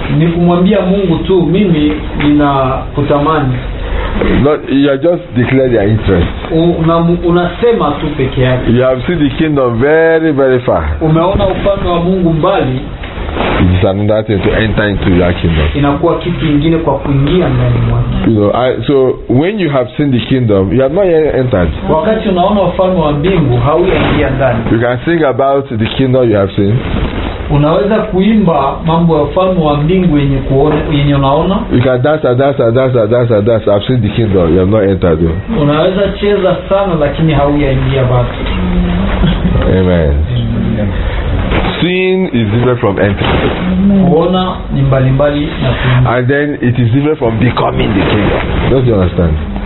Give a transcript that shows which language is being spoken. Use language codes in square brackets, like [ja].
[sw] Ni kumwambia Mungu tu mimi ninakutamani. [en] Not, you are just declaring your interest. [sw] Unasema tu peke yake. [en] You have seen the kingdom very, very far. [sw] Umeona upande wa Mungu mbali. [en] It is another thing to enter into your kingdom. [sw] Inakuwa kitu kingine kwa kuingia ndani mwake. [en] You know, so when you have seen the kingdom, you have not yet entered. [sw] Wakati unaona ufalme wa mbingu, hauingia ndani. [en] You can sing about the kingdom you have seen. [sw] Unaweza kuimba mambo ya ufalme wa mbingu yenye kuona, yenye unaona. [en] You can dance. I've seen the kingdom. You have not entered yet. [sw] Unaweza cheza sana lakini hauingia bado. [en] Amen. Amen. Seeing is different from entering. And then it is different from becoming the kingdom. Don't you understand?